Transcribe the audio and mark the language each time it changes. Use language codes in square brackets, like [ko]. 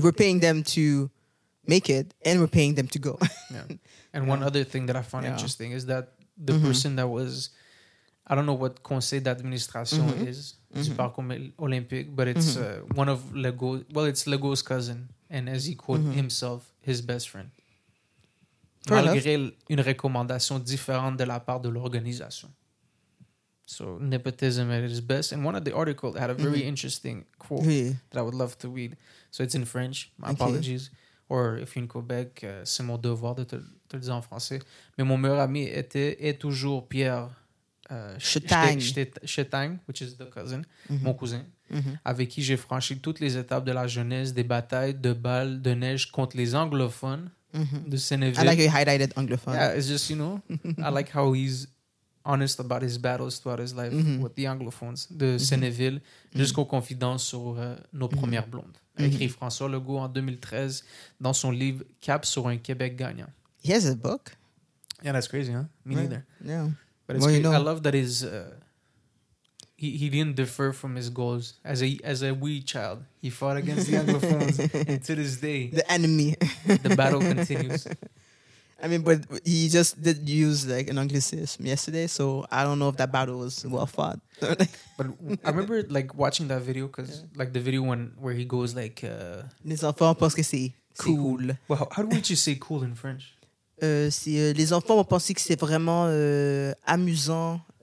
[en] We're paying them to make it, and we're paying them to go. And one other thing that I found interesting is that the person that was, I don't know what conseil d'administration is, it's Parc Olympique, but it's one of it's Legault's cousin, and as he quoted himself, his best friend. [fr] Malgré une recommandation différente de la part de l'organisation. [en] So, nepotism at its best. And one of the articles had a very interesting quote that I would love to read. So, it's in French. My apologies. Or, if you're in Quebec, [fr] c'est mon devoir de te le dire en français. Mais mon meilleur ami est toujours Pierre Chetang, [en] which is the cousin, [fr] mon cousin, avec qui j'ai franchi toutes les étapes de la jeunesse, des batailles, de balles, de neige contre les anglophones. The Cénévite. [en] I like how he highlighted anglophone. Yeah, it's just, you know, I like how he's honest about his battles throughout his life with the anglophones. [fr] The Cénéville, jusqu'aux confidences sur nos premières blondes. Écrit François Legault en 2013 dans son livre Cap sur un Québec gagnant. [en] He has a book. Yeah, that's crazy, huh? Me neither. Yeah. But it's you know. I love that his, he didn't differ from his goals. As a wee child, he fought against the anglophones. And to this day, the enemy. The battle continues. I mean, but he just did use like an anglicism yesterday, so I don't know if that battle was well fought. But I remember like watching that video, because like the video where he goes like... [fr] Les enfants vont penser que c'est cool. [en] Well, how would you say cool in French? [fr] Les enfants vont penser que c'est vraiment amusant.